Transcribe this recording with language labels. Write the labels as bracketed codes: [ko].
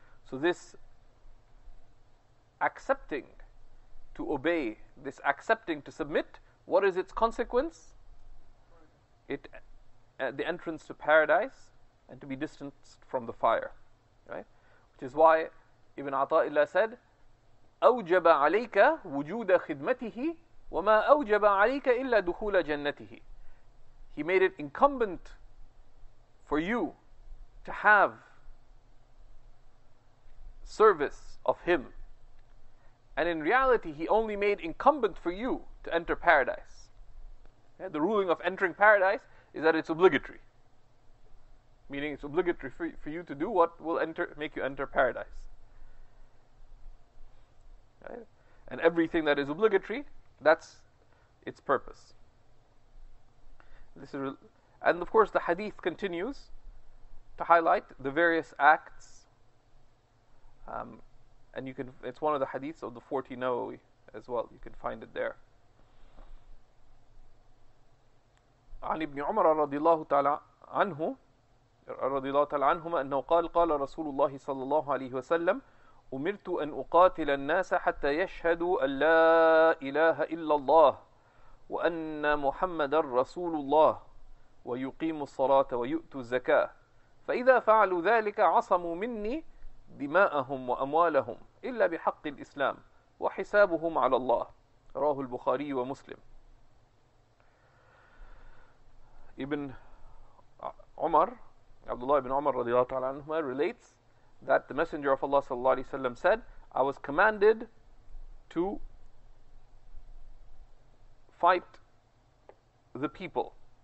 [en] So this accepting to obey, this accepting to submit, what is its consequence? The entrance to paradise and to be distanced from the fire, right? Which is why Ibn Ata'illah said, [ar] أَوْجَبَ عَلَيْكَ وُجُودَ خِدْمَتِهِ وَمَا أَوْجَبَ عَلَيْكَ إِلَّا دُخُولَ جَنَّتِهِ. [en] He made it incumbent for you to have service of him. And in reality, he only made incumbent for you to enter paradise. Yeah, the ruling of entering paradise is that it's obligatory. Meaning it's obligatory for you to do what will make you enter paradise. Right? And everything that is obligatory, that's its purpose. And of course, the hadith continues to highlight the various acts. It's one of the hadiths of the 40 Nawawi as well. You can find it there. [ar] عن ابن عمر رضي الله تعالى عنه رضي الله تعالى عنهما أنه قال قال رسول الله صلى الله عليه وسلم أمرت أن أقاتل الناس حتى يشهدوا أن لا إله إلا الله وأن محمد رسول الله ويقيم الصلاة ويؤتوا الزكاة فإذا فعلوا ذلك عصموا مني دماءهم وأموالهم إلا بحق الإسلام وحسابهم على الله رواه البخاري ومسلم. [en] Ibn Umar, Abdullah ibn Umar radiallahu ta'ala anhu, relates that the Messenger of Allah sallallahu alayhi wa sallam said, I was commanded to fight the people.